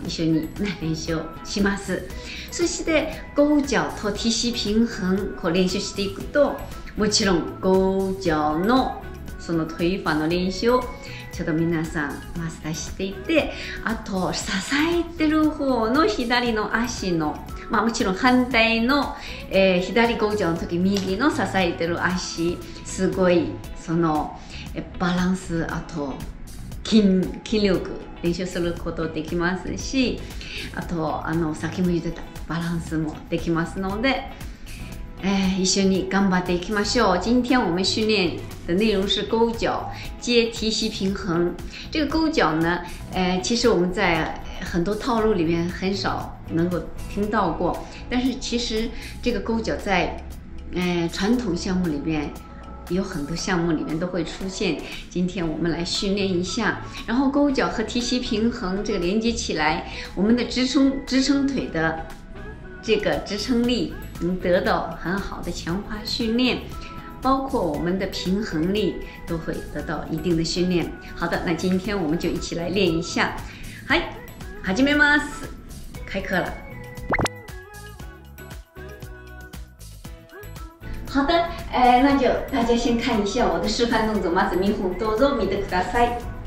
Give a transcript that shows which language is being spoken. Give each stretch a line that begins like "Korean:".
Japanese: 一緒に、ね、練習します。そして勾脚と体脂平衡こう練習していくと、もちろん勾脚のその腿法の練習をちょっと皆さんマスターしていてあと支えてる方の左の足のまあもちろん反対の、左勾脚の時右の支えてる足すごいそのバランスあと筋力練習することできますしあとあの先も言ってたバランスもできますので一緒に頑張っていきましょう。
Chinese: 今天我们训练的内容是勾脚接体脂平衡。这个勾脚呢，其实我们在很多套路里面很少能够听到过。但是其实这个勾脚在，传统项目里面有很多项目里面都会出现。今天我们来训练一下，然后勾脚和体脂平衡这个连接起来，我们的支撑腿的这个支撑力。能得到很好的强化训练包括我们的平衡力都会得到一定的训练好的那今天我们就一起来练一下嗨
Japanese: 始めます
Chinese: 开课了好的那就大家先看一下我的示范动作
Japanese: まず見本どうぞ見てください